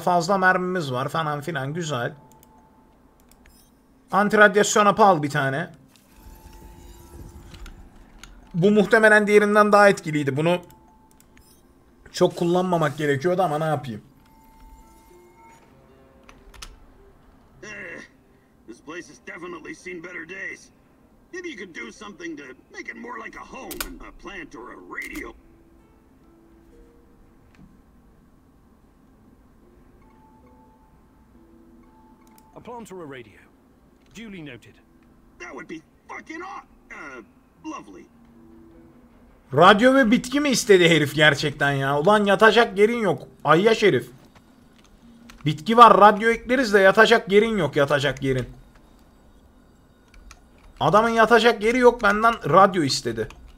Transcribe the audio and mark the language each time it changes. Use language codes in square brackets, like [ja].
[tr] Fazla mermimiz var falan filan. Güzel. Anti radyasyon hapı al bir tane. Bu muhtemelen diğerinden daha etkiliydi. Bunu çok kullanmamak gerekiyordu ama ne yapayım? [en] This place has definitely seen better days. Maybe you could do something to make it more like a home, a plant or a radio. A plant or a radio. Duly noted. That would be fucking lovely. [tr] Radyo ve bitki mi istedi herif gerçekten ya? Ulan yatacak yerin yok. Ayyaş herif. Bitki var, radyo ekleriz de yatacak yerin yok, yatacak yerin. Adamın yatacak yeri yok, benden radyo istedi.